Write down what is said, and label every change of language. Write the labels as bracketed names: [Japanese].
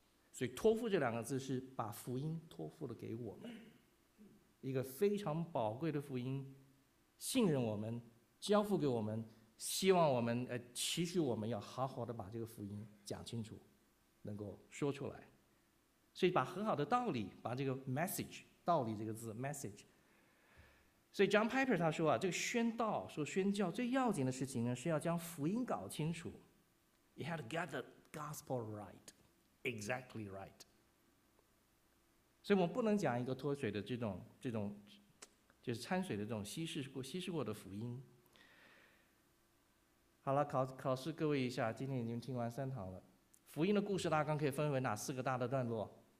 [Chinese] 所以托付这两个字是把福音托付了给我们，一个非常宝贵的福音，信任我们，交付给我们，希望我们期许我们要好好的把这个福音讲清楚，能够说出来。所以把很好的道理，把这个 message， 道理这个字 message。所以 John Piper 他说啊，这个宣道说宣教最要紧的事情呢，是要将福音搞清楚。 [English] You had to get the gospel right， exactly right。 [Chinese] 所以我们不能讲一个脱水的这种就是掺水的这种稀释过的福音。好了， 考试各位一下，今天已经听完三堂了，福音的故事大纲可以分为哪四个大的段落？